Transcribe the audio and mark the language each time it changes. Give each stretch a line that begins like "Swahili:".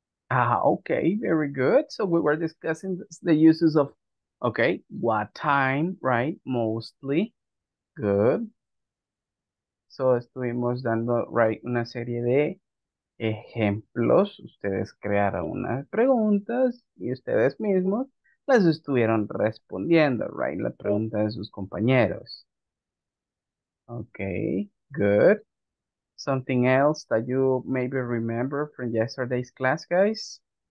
English: Ah, okay, very good. So we were discussing the uses of, okay, what time, right? Mostly. Good.
Spanish: So estuvimos dando, right, una serie de ejemplos. Ustedes crearon unas preguntas y ustedes mismos las estuvieron respondiendo, right, la pregunta de sus compañeros.
English: Okay, good. Something else that you maybe remember from yesterday's class, guys?